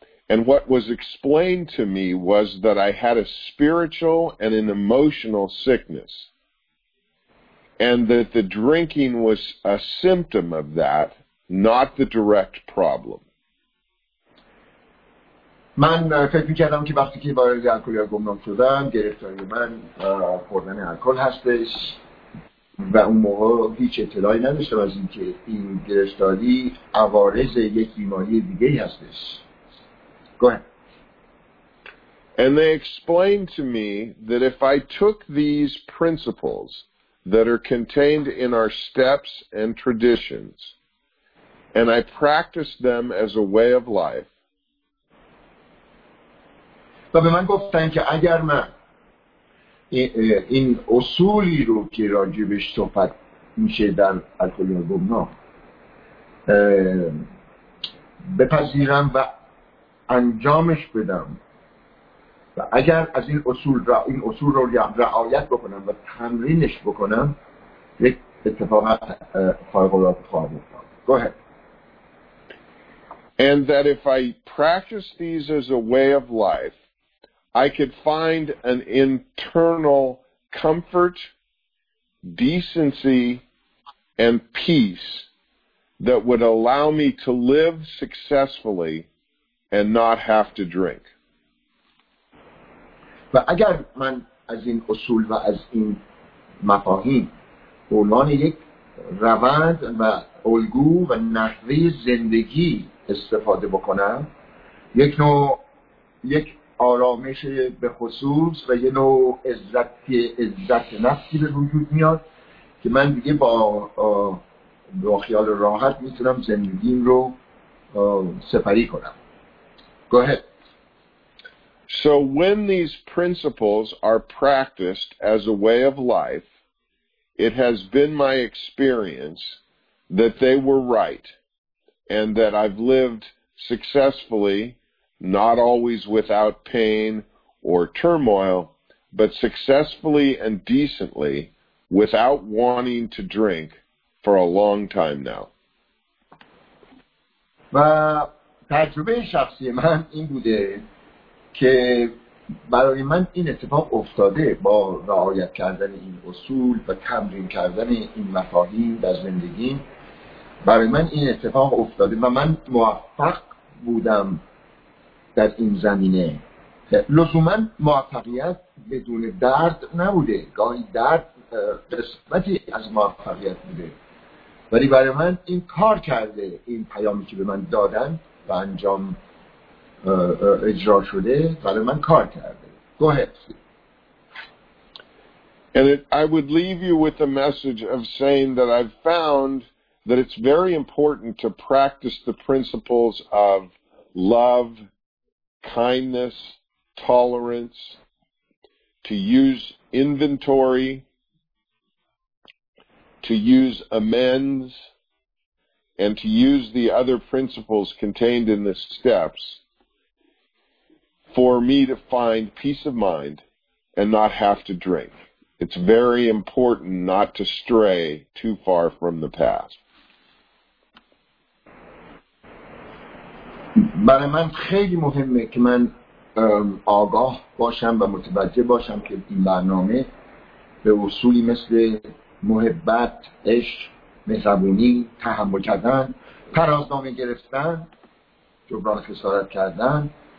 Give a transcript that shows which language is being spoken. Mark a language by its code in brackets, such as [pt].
[en] And what was explained to me was that I had a spiritual and an emotional sickness. And that the drinking was a symptom of that, not the direct problem. [fa] من فکر میکردم که وقتی که وارد الکل یا گمنام شدم گرفتاری من خوردن الکل هستش و اون موقع هیچ اطلاعی نداشتم از اینکه این گرفتاری عوارض یک بیماری دیگه هستش. [en] Go ahead. And they explained to me that if I took these principles that are contained in our steps and traditions and I practiced them as a way of life, [fa] و به من گفتن که اگر من این اصولی رو که راجبش صحبت میشه در الکلیه گمنا بپذیرم و انجامش بدم و اگر از این اصول را این اصول رو رعایت بکنم و تمرینش بکنم یک اتفاق خارق العاده خواهم افتاد. [en] Go ahead. And that if I practice these as a way of life, I could find an internal comfort, decency, and peace that would allow me to live successfully and not have to drink. [fa] و اگر من از این اصول و از این مفاهیم عنوان یک روند و الگو و نحوه زندگی استفاده بکنم یک آرامش به خصوص و یه نوع عزت نفسی به وجود میاد که من دیگه با خیال راحت میتونم زندگیم رو سپری کنم. [en] Go ahead. So when these principles are practiced as a way of life, it has been my experience that they were right and that I've lived successfully, not always without pain or turmoil, but successfully and decently without wanting to drink for a long time now. [fa] و تجربه شخصی من این بوده که برای من این اتفاق افتاده با رعایت کردن این اصول و تمرین کردن این مفاهیم در زندگی. برای من این اتفاق افتاده و من موفق بودم در این زمینه. لزوماً موفقیت بدون درد نبوده، گاهی درد قسمتی از موفقیت بوده، ولی برای من این کار کرده، این پیامی که به من دادن و انجام اجرا شده برای من کار کرده. [en] Go ahead. And I would leave you with a message of saying that I've found that it's very important to practice the principles of love, kindness, tolerance, to use inventory, to use amends, and to use the other principles contained in the steps for me to find peace of mind and not have to drink. It's very important not to stray too far from the path. [fa] برای من خیلی مهمه که من آگاه باشم و متوجه باشم که این برنامه به اصولی مثل محبت، عشق، مهربونی، تحمل کردن، ترازنامه گرفتن، جبران خسارت کردن،